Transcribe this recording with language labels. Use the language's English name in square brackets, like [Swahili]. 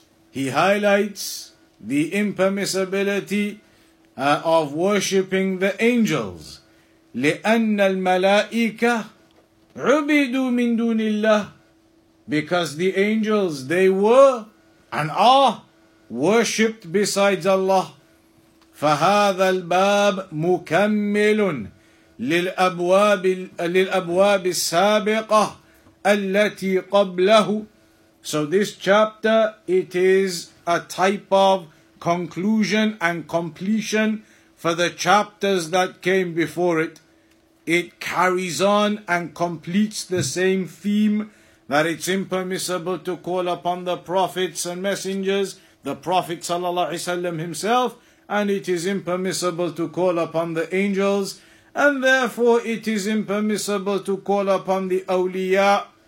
[English] He highlights the impermissibility of worshipping the angels. [Arabic] لِأَنَّ الْمَلَائِكَةِ عُبِدُوا مِن دُونِ اللَّهِ. [English] Because the angels, they were and are worshipped besides Allah. [Arabic] فهذا الباب مكمل للأبواب السابقة التي قبله. [English] So this chapter, it is a type of conclusion and completion for the chapters that came before it. It carries on and completes the same theme that it's impermissible to call upon the prophets and messengers, the Prophet sallallahu alaihi wasallam himself, and it is impermissible to call upon the angels, and therefore it is impermissible to call upon the awliya